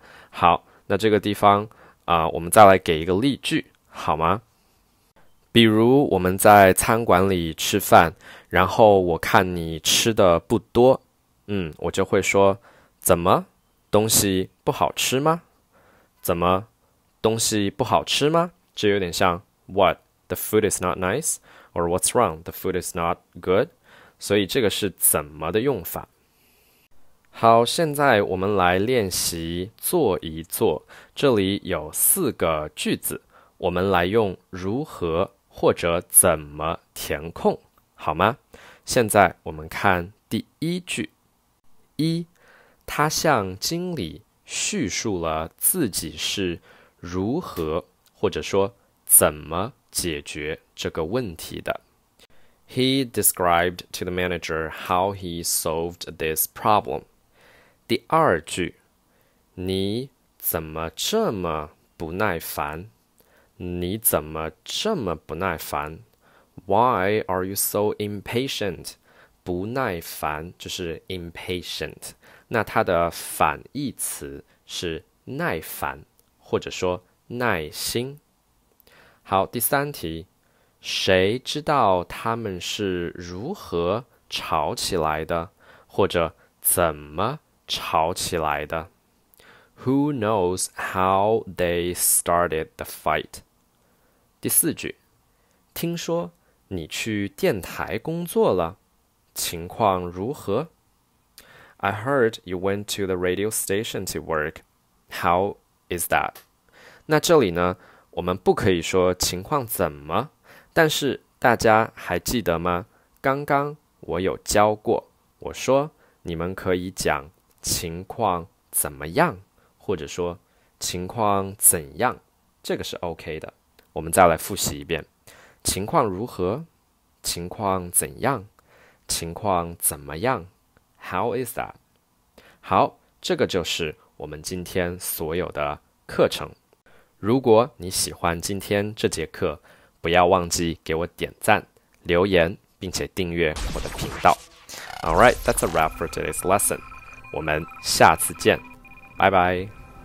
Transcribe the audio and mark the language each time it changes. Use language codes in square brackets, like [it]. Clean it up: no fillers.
[zh] 好，那这个地方我们再来给一个例句，好吗？比如我们在餐馆里吃饭，然后我看你吃的不多，我就会说，怎么？东西不好吃吗？怎么？东西不好吃吗？这有点像 [en] What, the food is not nice? Or what's wrong, the food is not good? [zh] 所以这个是怎么的用法。好，现在我们来练习做一做。这里有四个句子，我们来用如何或者怎么填空，好吗？现在我们看第一句。一，他向经理叙述了自己是如何或者说怎么解决这个问题的。 [en] He described to the manager how he solved this problem. [zh] 第二句，你怎么这么不耐烦？你怎么这么不耐烦 ？ [en] Why are you so impatient？ [zh] 不耐烦就是 impatient。那它的反义词是耐烦，或者说耐心。好，第三题，谁知道他们是如何吵起来的？或者怎么？吵起来的。 [en] Who knows how they started the fight? [zh] 第四句，听说你去电台工作了，情况如何？ [en] I heard you went to the radio station to work. How is that? [zh] 那这里呢，我们不可以说情况怎么，但是大家还记得吗？刚刚我有教过，我说你们可以讲情况怎么样，或者说情况怎样，这个是 OK 的。我们再来复习一遍，情况如何，情况怎样，情况怎么样， [en] How is that? [zh] 好，这个就是我们今天所有的课程。如果你喜欢今天这节课，不要忘记给我点赞留言，并且订阅我的频道。 [en] Alright, that's a wrap for today's lesson. [zh] 我们下次见，拜拜。